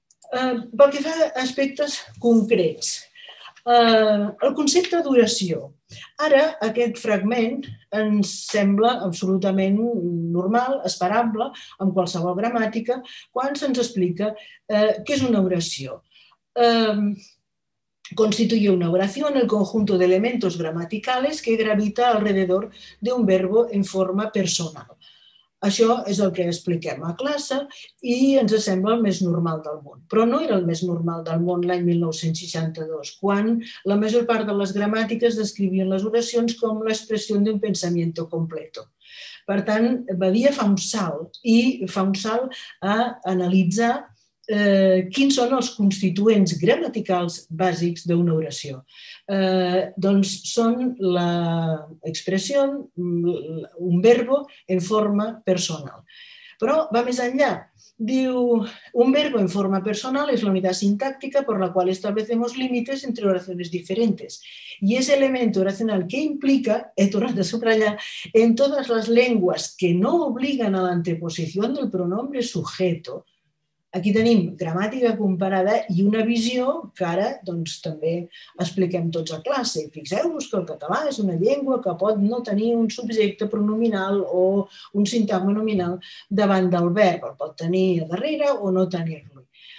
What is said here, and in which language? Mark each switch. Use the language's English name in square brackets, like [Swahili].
[Catalan] Pel que fa a aspectes concrets, el concepte d'oració. Ara, aquest fragment ens sembla absolutament normal, esperable, amb qualsevol gramàtica, quan se'ns explica què és una oració. [Spanish] Constituye una oración el conjunto de elementos gramaticales que gravita alrededor de un verbo en forma personal. [Catalan] Això és el que expliquem a classe i ens sembla el més normal del món. Però no era el més normal del món l'any 1962, quan la major part de les gramàtiques descrivien les oracions com l'expressió d' [Spanish] un pensamiento completo. [Catalan] Per tant, Badia fa un salt i fa un salt a analitzar quins són els constituents gramaticals bàsics d'una oració. Doncs són l'expressió, [Spanish] un verbo en forma personal. [Catalan] Però va més enllà. [Spanish] Diu, un verbo en forma personal es la unidad sintáctica por la cual establecemos límites entre oraciones diferentes. Y es elemento oracional que implica, [Catalan] he tornat a subratllar, [Spanish] en todas las lenguas que no obligan a la anteposición del pronombre sujeto. [Catalan] Aquí tenim gramàtica comparada i una visió que ara doncs, també expliquem tots a classe. Fixeu-vos que el català és una llengua que pot no tenir un subjecte pronominal o un sintagma nominal davant del verb. El pot tenir a darrere o no tenir-lo.